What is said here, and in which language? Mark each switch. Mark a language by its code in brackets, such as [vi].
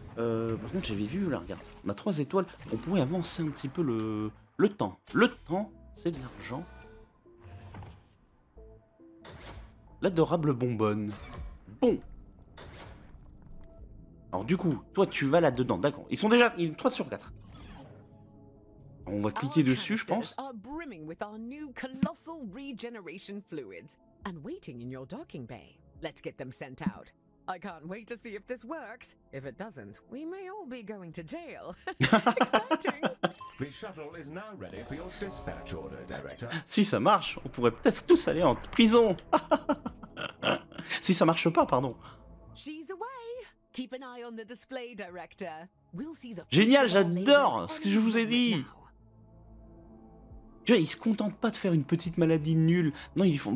[fr] Par contre, j'avais vu, là, regarde. On a 3 étoiles. On pourrait avancer un petit peu le temps. Le temps, c'est de l'argent. L'adorable bonbonne. Bon. Alors du coup, toi tu vas là-dedans, d'accord. Ils sont déjà 3 sur 4. On va cliquer dessus, je pense. [en] Are brimming with our new colossal regeneration fluids and waiting in your docking bay. Let's get them sent out. I can't wait to see if this works. If it doesn't, we may all be going to jail. Exciting. The shuttle is now ready for your dispatch order, director. [fr] Si ça marche, on pourrait peut-être tous aller en prison. Si ça marche pas, pardon. [en] She's away. Keep an eye on the display, director. We'll see the... [fr] Génial, j'adore ce que je vous ai dit. Tu vois, ils se contentent pas de faire une petite maladie nulle. Non, ils font...